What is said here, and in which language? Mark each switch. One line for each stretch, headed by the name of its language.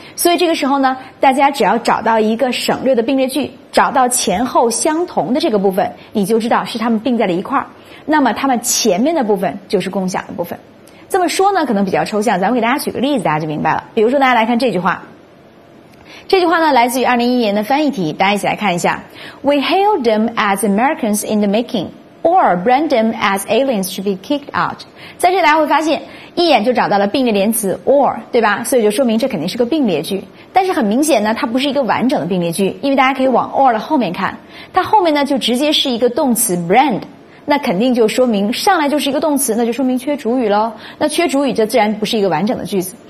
Chinese: 所以这个时候呢大家只要找到一个省略的并列句，找到前后相同的这个部分，你就知道是他们并在了一块，那么他们前面的部分就是共享的部分。这么说呢可能比较抽象，咱们给大家举个例子大家就明白了。比如说大家来看这句话，这句话呢来自于2011年的翻译题，大家一起来看一下。
English: We hailed them as Americans in the making or brand them as aliens to be kicked out。
Chinese: 在这里大家会发现一眼就找到了并列连词 or， 对吧？所以就说明这肯定是个并列句，但是很明显呢它不是一个完整的并列句，因为大家可以往 or 的后面看，它后面呢就直接是一个动词 brand， 那肯定就说明上来就是一个动词，那就说明缺主语咯，那缺主语这自然不是一个完整的句子。